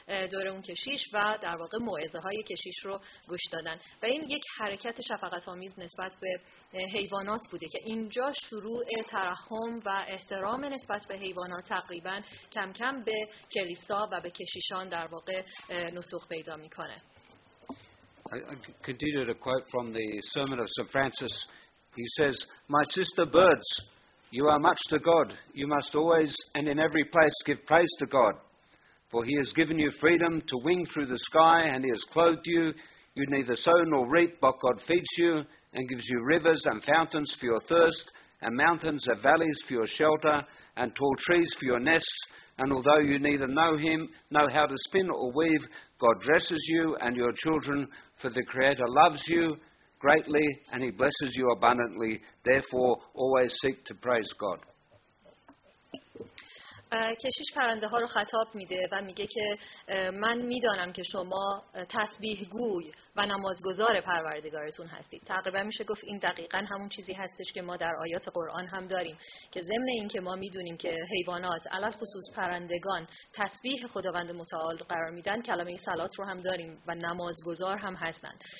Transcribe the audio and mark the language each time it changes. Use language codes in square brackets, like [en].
[fa] دور اون کشیش و در واقع موعظه های کشیش رو گوش دادن و این یک حرکت شفقت آمیز نسبت به حیوانات بوده که اینجا شروع ترحم و احترام نسبت به حیوانات تقریبا کم کم به کلیسا و به کشیشان در واقع نسوخ پیدا میکنه. [en] I continued a quote from the sermon of St. Francis. He says, "My sister birds, you are much to God. You must always and in every place give praise to God. For he has given you freedom to wing through the sky and he has clothed you. You neither sow nor reap, but God feeds you and gives you rivers and fountains for your thirst and mountains and valleys for your shelter and tall trees for your nests. And although you neither know him, know how to spin or weave, God dresses you and your children, for the Creator loves you greatly and he blesses you abundantly. Therefore, always seek to praise God." [fa] کشیش پرنده ها رو خطاب میده و میگه که من میدانم که شما تسبیح گوی و نمازگزار پروردگارتون هستید. تقریبا میشه گفت این دقیقا همون چیزی هستش که ما در آیات قرآن هم داریم که ضمن این که ما میدونیم که حیوانات علل خصوص پرندگان تسبیح خداوند متعال قرار میدن، کلمه صلات رو هم داریم و نمازگزار هم هستند.